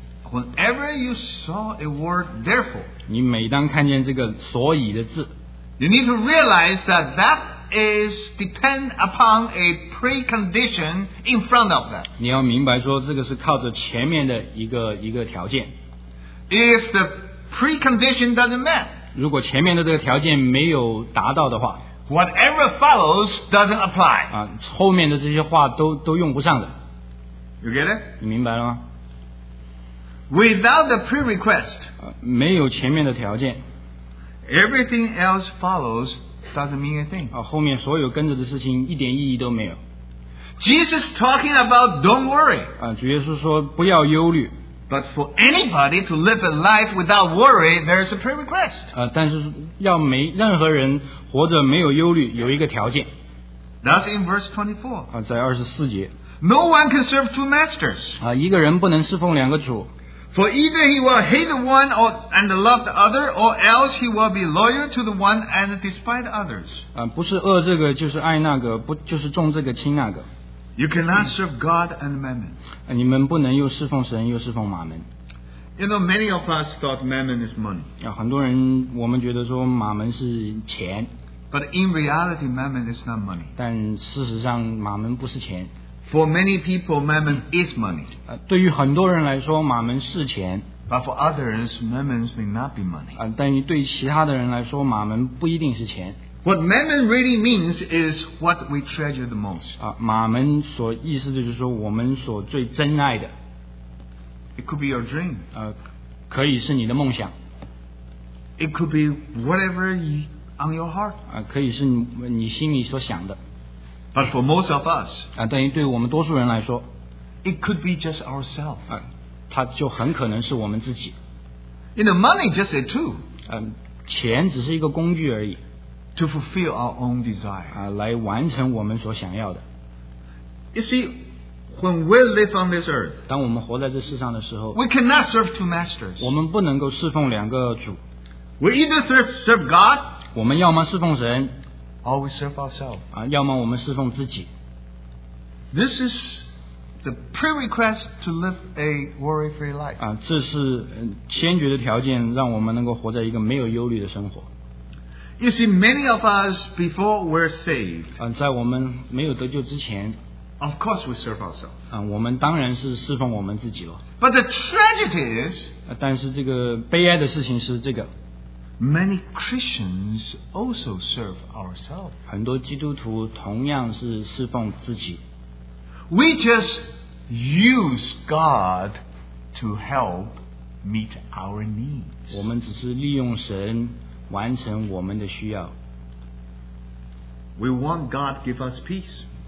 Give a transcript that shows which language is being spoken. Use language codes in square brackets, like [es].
[en] whenever you saw a word therefore, [zh] 你每当看见这个所以的字, [en] you need to realize that that is depend upon a precondition in front of that. [zh] 你要明白说这个是靠着前面的一个条件。 [en] If the precondition doesn't match, [zh] 如果前面的这个条件没有达到的话, [en] whatever follows doesn't apply. [zh] 后面的这些话都用不上的。 [en] You get it? [zh] 你明白了吗? [en] Without the pre-request, [zh] 没有前面的条件, [en] everything else follows doesn't mean a thing. [zh] 后面所有跟着的事情一点意义都没有。 [en] Jesus talking about don't worry. [zh] 主耶稣说不要忧虑。 [en] But for anybody to live a life without worry, there is a pre-request. [zh] 但是要没任何人活着没有忧虑, 有一个条件。 [en] That's in verse 24. [zh] 在24节。 [en] No one can serve two masters. [zh] 一个人不能侍奉两个主。 [en] For either he will hate the one or, and love the other, or else he will be loyal to the one and despise the others. [zh] 不是恶这个就是爱那个，不就是重这个轻那个。 [en] You cannot serve God and mammon. [zh] 你们不能又侍奉神又侍奉马门。 [en] You know, many of us thought mammon is money. [zh] 很多人我们觉得说马门是钱。 [en] But in reality, mammon is not money. [zh] 但事实上马门不是钱。 [en] For many people, mammon is money. [zh] 对于很多人来说马门是钱。 [en] But for others, mammon may not be money. [zh] 但对于其他的人来说马门不一定是钱。 [en] What mammon really means is what we treasure the most. [zh] 马门所意思就是说我们所最珍爱的。 [en] It could be your dream. [zh] 可以是你的梦想。 [en] It could be whatever on your heart. [zh] 可以是你心里所想的。 [en] But for most of us, [zh] 但于对我们多数人来说, [en] it could be just ourselves. [zh] 它就很可能是我们自己。 [en] You know, money just a tool. [zh] 钱只是一个工具而已。 [en] To fulfill our own desire. [zh] 来完成我们所想要的。 [en] You see, when we live on this earth, [zh] 当我们活在这世上的时候, [en] we cannot serve two masters. [zh] 我们不能够侍奉两个主。 [en] We either serve God, [zh] 我们要么侍奉神, [en] or we serve ourselves. [zh] 要么我们侍奉自己。 [en] This is the prerequisite to live a worry-free life. [zh] 这是先决的条件, 让我们能够活在一个没有忧虑的生活。 [en] You see, many of us before we're saved, [zh] 在我们没有得救之前, [en] of course we serve ourselves. [zh] 我们当然是侍奉我们自己了。 [en] But the tragedy is, [zh] 但是这个悲哀的事情是这个, [en] many Christians also serve ourselves. [zh] 很多基督徒同样是侍奉自己。 [en] We just use God to help meet our needs. [zh] 我们只是利用神, 完成我们的需要。 [en] We want God to give us peace.